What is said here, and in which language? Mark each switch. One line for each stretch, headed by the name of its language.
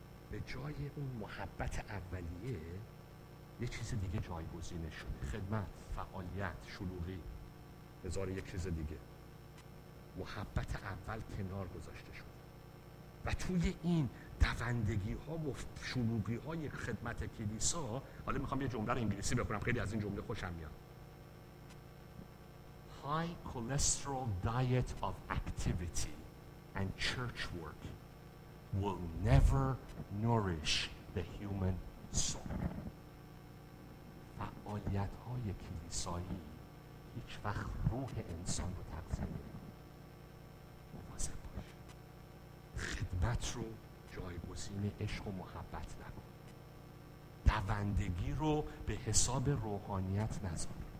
Persian: به جای اون محبت اولیه یه چیز دیگه جایگزینه شده، خدمت، فعالیت، شلوغی، هزار یک چیز دیگه. محبت اول کنار گذاشته شده و توی این دوندگی ها و شلوغی های خدمت کلیسا، حالا میخوام یه جمله رو انگلیسی بخونم، خیلی از این جمله خوشم میاد.
English: High cholesterol diet of activity and church work will never nourish the human soul.
Persian: فعالیت های کلیسایی هیچ وقت روح انسان رو تغذیه نمی کنه. مواظب باش. خدمت رو جایگزین عشق و محبت نکن. دوندگی رو به حساب روحانیت نذار.